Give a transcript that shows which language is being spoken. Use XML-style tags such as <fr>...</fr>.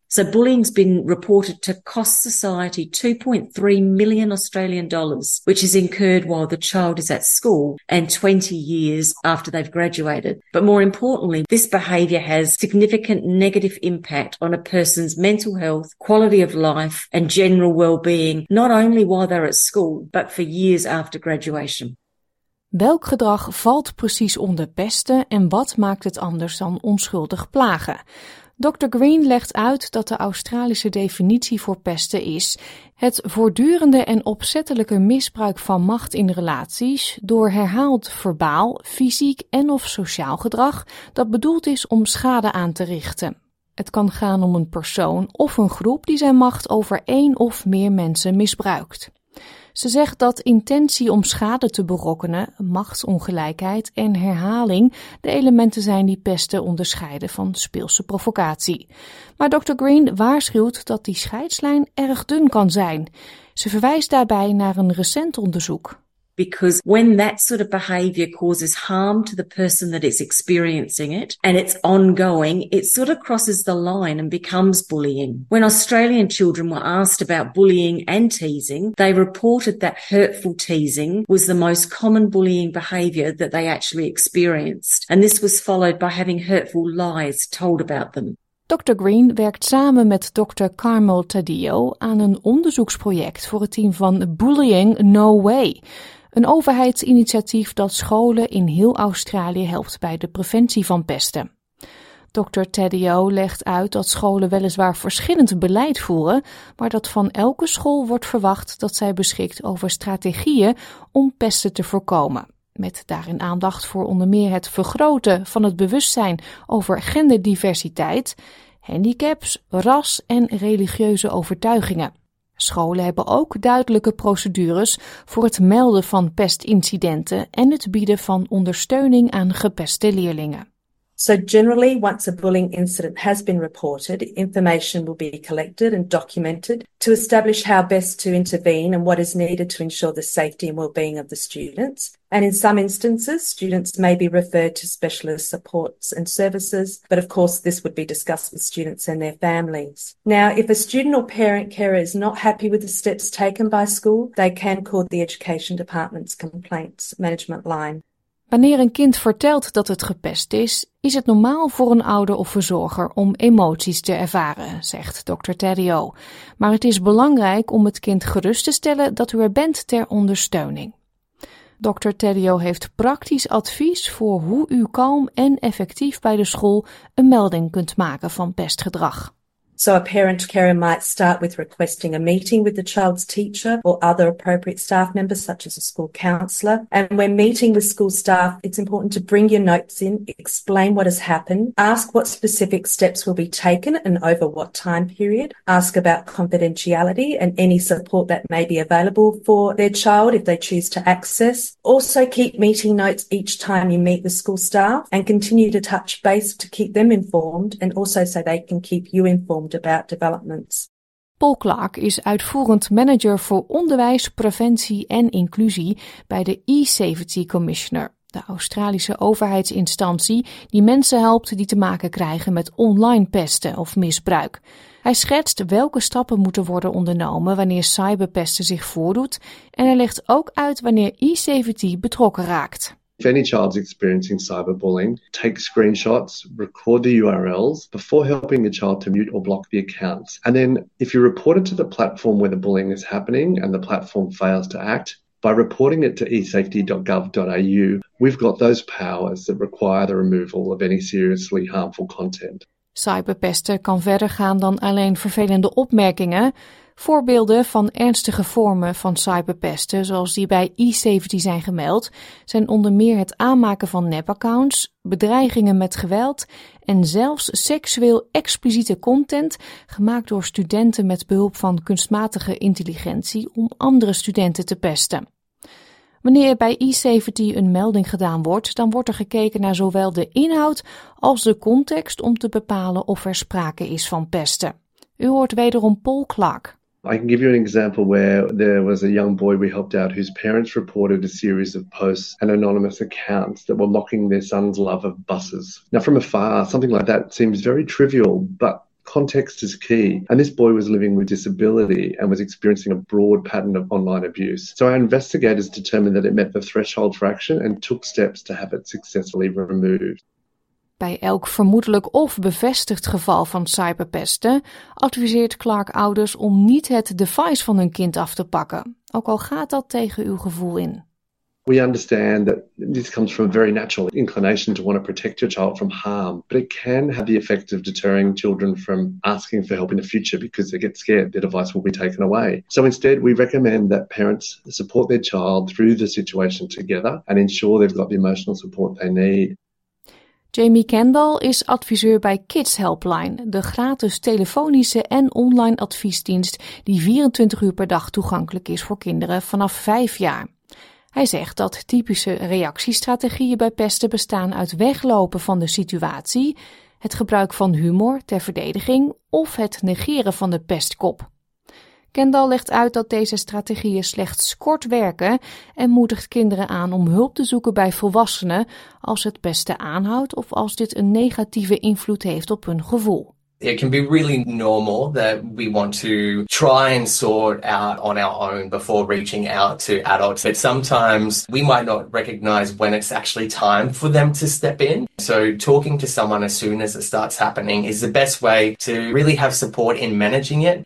<en>So bullying's been reported to cost society $2.3 million Australian dollars, which is incurred while the child is at school and 20 years after they've graduated. But more importantly, this behaviour has significant negative impact on a person's mental health, quality of life and general well-being, not only while they're at school, but for years after graduation.</en> <nl>Welk gedrag valt precies onder pesten en wat maakt het anders dan onschuldig plagen? Dr. Green legt uit dat de Australische definitie voor pesten is het voortdurende en opzettelijke misbruik van macht in relaties door herhaald verbaal, fysiek en of sociaal gedrag dat bedoeld is om schade aan te richten. Het kan gaan om een persoon of een groep die zijn macht over één of meer mensen misbruikt. Ze zegt dat intentie om schade te berokkenen, machtsongelijkheid en herhaling de elementen zijn die pesten onderscheiden van speelse provocatie. Maar Dr. Green waarschuwt dat die scheidslijn erg dun kan zijn. Ze verwijst daarbij naar een recent onderzoek.</nl> <en>Because when that sort of behavior causes harm to the person that is experiencing it and it's ongoing, it sort of crosses the line and becomes bullying. When Australian children were asked about bullying and teasing, they reported that hurtful teasing was the most common bullying behavior that they actually experienced. And this was followed by having hurtful lies told about them.</en> <nl>Dr. Green werkt samen met Dr. Carmel Taddeo aan een onderzoeksproject voor het team van Bullying No Way. Een overheidsinitiatief dat scholen in heel Australië helpt bij de preventie van pesten. Dr. Taddeo legt uit dat scholen weliswaar verschillend beleid voeren, maar dat van elke school wordt verwacht dat zij beschikt over strategieën om pesten te voorkomen. Met daarin aandacht voor onder meer het vergroten van het bewustzijn over genderdiversiteit, handicaps, ras en religieuze overtuigingen. Scholen hebben ook duidelijke procedures voor het melden van pestincidenten en het bieden van ondersteuning aan gepeste leerlingen.</nl> <en>So generally, once a bullying incident has been reported, information will be collected and documented to establish how best to intervene and what is needed to ensure the safety and well-being of the students. And in some instances, students may be referred to specialist supports and services, but of course, this would be discussed with students and their families. Now, if a student or parent carer is not happy with the steps taken by school, they can call the Education Department's Complaints Management Line.</en> <nl>Wanneer een kind vertelt dat het gepest is het normaal voor een ouder of verzorger om emoties te ervaren, zegt Dr. Terrio. Maar het is belangrijk om het kind gerust te stellen dat u er bent ter ondersteuning. Dr. Terrio heeft praktisch advies voor hoe u kalm en effectief bij de school een melding kunt maken van pestgedrag.</nl> <en>So a parent carer might start with requesting a meeting with the child's teacher or other appropriate staff members, such as a school counsellor. And when meeting with school staff, it's important to bring your notes in, explain what has happened, ask what specific steps will be taken and over what time period, ask about confidentiality and any support that may be available for their child if they choose to access. Also keep meeting notes each time you meet with school staff and continue to touch base to keep them informed and also so they can keep you informed. About developments.</en> <nl>Paul Clark is uitvoerend manager voor onderwijs, preventie en inclusie bij de E-Safety Commissioner, de Australische overheidsinstantie die mensen helpt die te maken krijgen met online pesten of misbruik. Hij schetst welke stappen moeten worden ondernomen wanneer cyberpesten zich voordoet en hij legt ook uit wanneer E-Safety betrokken raakt.</nl> <en>If any child's experiencing cyberbullying, take screenshots, record the URLs before helping the child to mute or block the accounts. And then if you report it to the platform where the bullying is happening and the platform fails to act, by reporting it to esafety.gov.au, we've got those powers that require the removal of any seriously harmful content.</en> <nl>Cyberpesten kan verder gaan dan alleen vervelende opmerkingen. Voorbeelden van ernstige vormen van cyberpesten, zoals die bij E-Safety zijn gemeld, zijn onder meer het aanmaken van nepaccounts, bedreigingen met geweld en zelfs seksueel expliciete content gemaakt door studenten met behulp van kunstmatige intelligentie om andere studenten te pesten. Wanneer bij E-Safety een melding gedaan wordt, dan wordt er gekeken naar zowel de inhoud als de context om te bepalen of er sprake is van pesten. U hoort wederom Paul Clark.</nl> <en>I can give you an example where there was a young boy we helped out whose parents reported a series of posts and anonymous accounts that were mocking their son's love of buses. Now, from afar, something like that seems very trivial, but context is key. And this boy was living with disability and was experiencing a broad pattern of online abuse. So our investigators determined that it met the threshold for action and took steps to have it successfully removed.</en> <nl>Bij elk vermoedelijk of bevestigd geval van cyberpesten adviseert Clark ouders om niet het device van hun kind af te pakken, ook al gaat dat tegen uw gevoel in.</nl> <en>We understand that this comes from a very natural inclination to want to protect your child from harm, but it can have the effect of deterring children from asking for help in the future because they get scared their device will be taken away. So instead, we recommend that parents support their child through the situation together and ensure they've got the emotional support they need.</en> <nl>Jamie Kendall is adviseur bij Kids Helpline, de gratis telefonische en online adviesdienst die 24 uur per dag toegankelijk is voor kinderen vanaf 5 jaar. Hij zegt dat typische reactiestrategieën bij pesten bestaan uit weglopen van de situatie, het gebruik van humor ter verdediging of het negeren van de pestkop. Kendall legt uit dat deze strategieën slechts kort werken en moedigt kinderen aan om hulp te zoeken bij volwassenen als het pesten aanhoudt of als dit een negatieve invloed heeft op hun gevoel.</nl> <en>It can be really normal that we want to try and sort out on our own before reaching out to adults. But sometimes we might not recognize when it's actually time for them to step in. So talking to someone as soon as it starts happening is the best way to really have support in managing it.</en>